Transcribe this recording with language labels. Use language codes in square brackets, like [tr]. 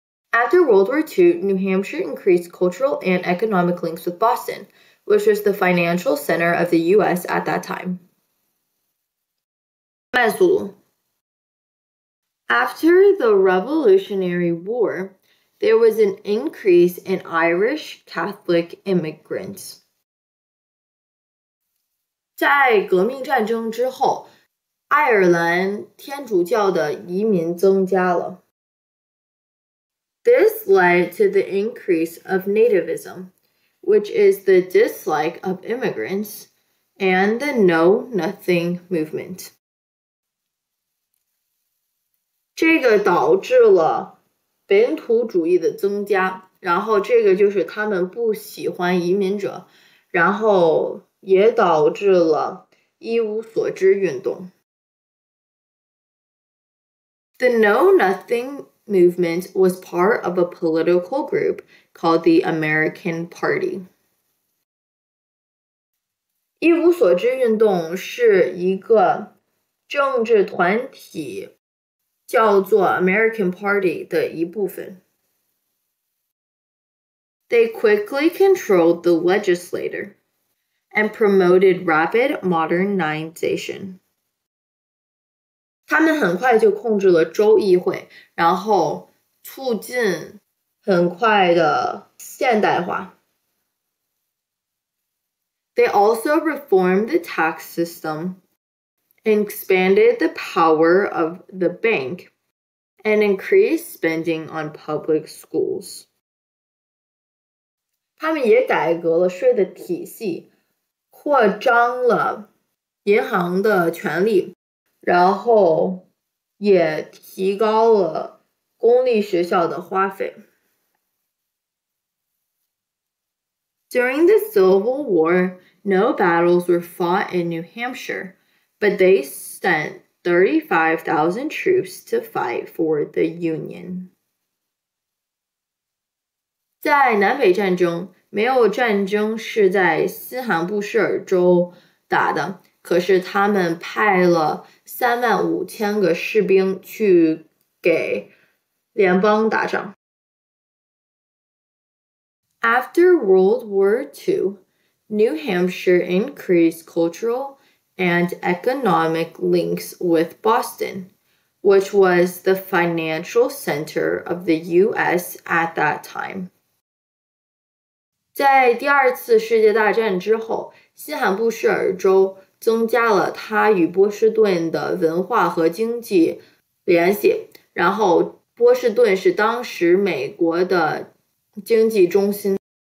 [en] After World War II, New Hampshire increased cultural and economic links with Boston, which was the financial center of the U.S. at that time. [zh] 慢速度. [en] After the Revolutionary War, there was an increase in Irish Catholic immigrants. [zh] 在革命战争之后, 爱尔兰天主教的移民增加了. [en] This led to the increase of nativism, which is the dislike of immigrants, and the Know Nothing movement. [zh] 这个导致了 本土主义的增加, 然后这个就是他们不喜欢移民者，然后也导致了一无所知运动。 [en] The Know Nothing movement was part of a political group called the American Party. [zh] 一无所知运动是一个政治团体，叫做 American Party 的一部分。 [en] They quickly controlled the legislature and promoted rapid modernization. [zh] 他们很快就控制了州议会，然后促进很快的现代化。 [en] They also reformed the tax system, expanded the power of the bank, and increased spending on public schools. [zh] 他们也改革了税的体系，扩张了银行的权力，然后也提高了公立学校的花费。 [en] During the Civil War, no battles were fought in New Hampshire, but they sent 35,000 troops to fight for the Union. [zh] 在南北战争，没有战争是在新罕布什尔州打的，可是他们派了35,000个士兵去给联邦打仗。 [en] After World War II, New Hampshire increased cultural and economic links with Boston, which was the financial center of the U.S. at that time. [zh] 在第二次世界大战之后，新罕布什尔州增加了它与波士顿的文化和经济联系，然后波士顿是当时美国的经济中心。